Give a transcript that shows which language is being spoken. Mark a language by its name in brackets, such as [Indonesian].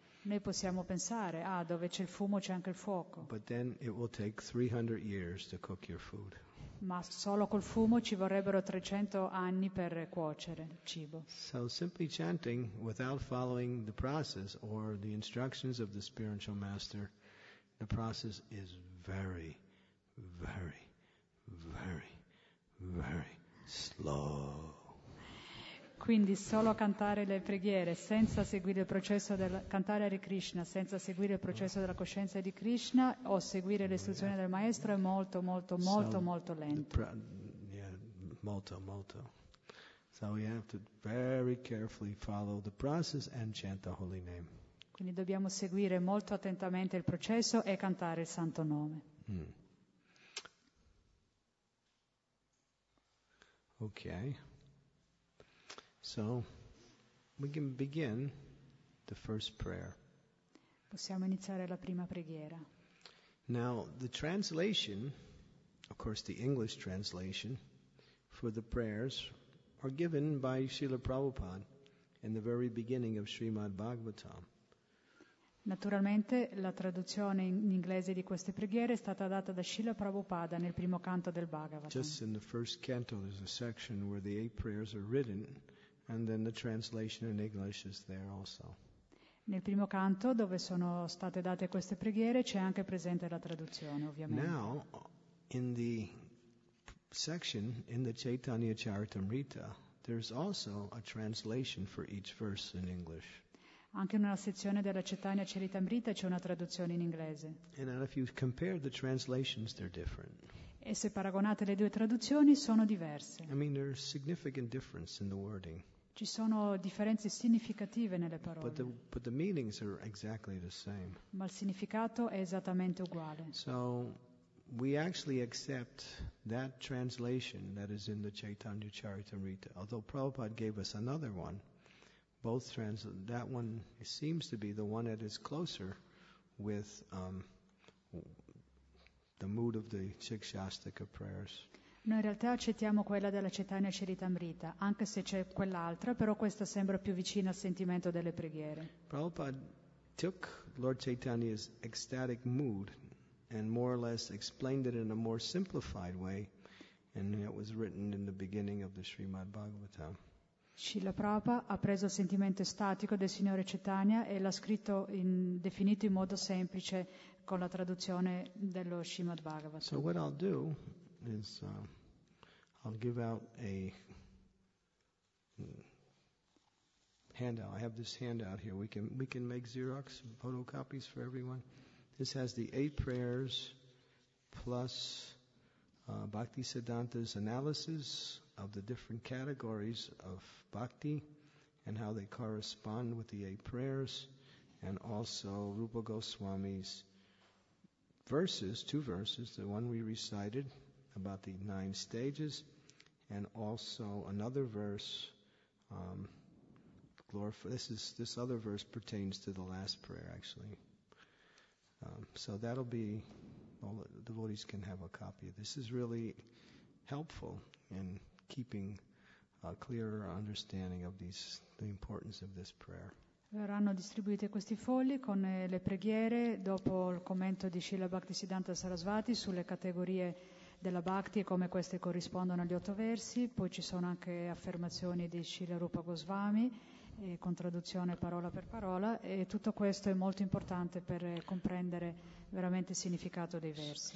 [Italian] Noi possiamo pensare, dove c'è il fumo c'è anche il fuoco. [English] But then it will take 300 years to cook your food. [Italian] Ma solo col fumo ci vorrebbero 300 anni per cuocere il cibo. [English] So simply chanting without following the process or the instructions of the spiritual master, the process is very, very, very, very slow. [Italian] Quindi solo cantare le preghiere senza seguire il processo del cantare Hare Krishna senza seguire il processo della coscienza di Krishna o seguire le istruzioni del maestro è molto molto molto molto lento. Molto. [English] So we have to very carefully follow the process and chant the holy name. [Italian] Quindi dobbiamo seguire molto attentamente il processo e cantare il santo nome. [English] Okay. So, we can begin the first prayer. [Italian] Possiamo iniziare la prima preghiera. [English] Now, the translation, of course the English translation, for the prayers are given by Srila Prabhupada in the very beginning of Srimad Bhagavatam. [Italian] Naturalmente, la traduzione in inglese di queste preghiere è stata data da Srila Prabhupada nel primo canto del Bhagavatam. [English] Just in the first canto, there's a section where the eight prayers are written. And then the translation in English is there also. [Italian] Nel primo canto, dove sono state date queste preghiere, c'è anche presente la traduzione, ovviamente. [English] Now, in the section in the Chaitanya Charitamrita, there's also a translation for each verse in English. [Italian] Anche in una sezione della Chaitanya Charitamrita c'è una traduzione in inglese. [English] And if you compare the translations, they're different. [Italian] E se paragonate le due traduzioni, sono diverse. [English] I mean, there's significant difference in the wording. [Italian] Ci sono differenze significative nelle parole. [English] But the meanings are exactly the same. [Italian] Ma il significato è esattamente uguale. [English] So we actually accept that translation that is in the Chaitanya Charitamrita, although Prabhupada gave us another one. Both translate that one seems to be the one that is closer with the mood of the Shikshastika prayers. [Italian] Noi in realtà accettiamo quella della Chaitanya Charitamrita, anche se c'è quell'altra, però questa sembra più vicina al sentimento delle preghiere. [English] Prabhupada took Lord Chaitanya's ecstatic mood and more or less explained it in a more simplified way, and it was written in the beginning of the Srimad Bhagavatam. [Italian] Srila Prabhupada ha preso il sentimento estatico del signore Chaitanya e l'ha scritto in, definito in modo semplice con la traduzione dello Srimad Bhagavatam. [English] So what I'll do is I'll give out a handout. I have this handout here. We can make Xerox photocopies for everyone. This has the eight prayers plus Bhaktisiddhanta's analysis of the different categories of bhakti and how they correspond with the eight prayers, and also Rupa Goswami's verses, two verses, the one we recited about the nine stages, and also another verse, this other verse pertains to the last prayer, actually. So that'll be, all the devotees can have a copy. This is really helpful in keeping a clearer understanding of the importance of this prayer. [Italian] Verranno distribuite questi fogli con le preghiere dopo il commento di Srila Bhaktisiddhanta Sarasvati sulle categorie della Bhakti e come queste corrispondono agli otto versi. Poi ci sono anche affermazioni di Srila Rupa Goswami con traduzione parola per parola, e tutto questo è molto importante per comprendere veramente il significato dei versi.